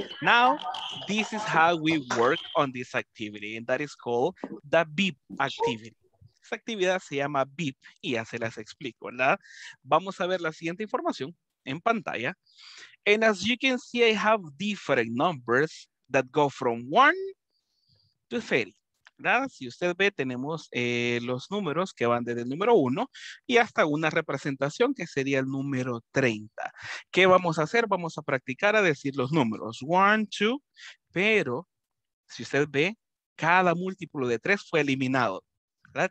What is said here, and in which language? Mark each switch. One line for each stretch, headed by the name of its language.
English: Now, this is how we work on this activity, and that is called the beep activity.
Spanish: Esta actividad se llama beep, y ya se las explico, ¿verdad? Vamos a ver la siguiente información en pantalla.
English: And as you can see, I have different numbers that go from 1 to 30.
Spanish: ¿Verdad? Si usted ve, tenemos los números que van desde el número 1 y hasta una representación que sería el número 30. ¿Qué vamos a hacer? Vamos a practicar a decir los números 1, 2, pero si usted ve, cada múltiplo de 3 fue eliminado. ¿Verdad?